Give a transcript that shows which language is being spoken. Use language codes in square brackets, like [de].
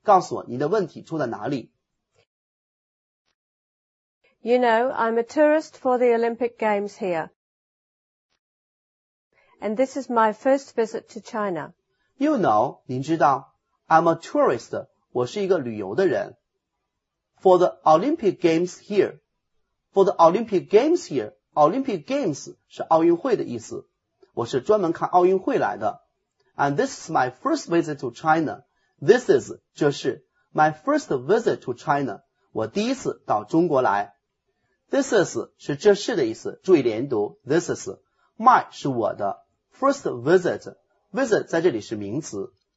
[zh] 告诉我你的问题出在哪里。 [en] You know, I'm a tourist for the Olympic Games here. And this is my first visit to China. You know, [zh] 您知道, [en] I'm a tourist, [zh] 我是一个旅游的人。 [en] For the Olympic Games here, for the Olympic Games here, Olympic Games [zh] 是奥运会的意思。我是专门看奥运会来的。 [en] And this is my first visit to China. This is, [zh] 这是 [en] my first visit to China, [zh] 我第一次到中国来。 [en] This is, [zh] 是这是的意思。注意连读 [en] this is, my [zh] 是我的 [en] first visit,Visit [zh] 在这里是名词。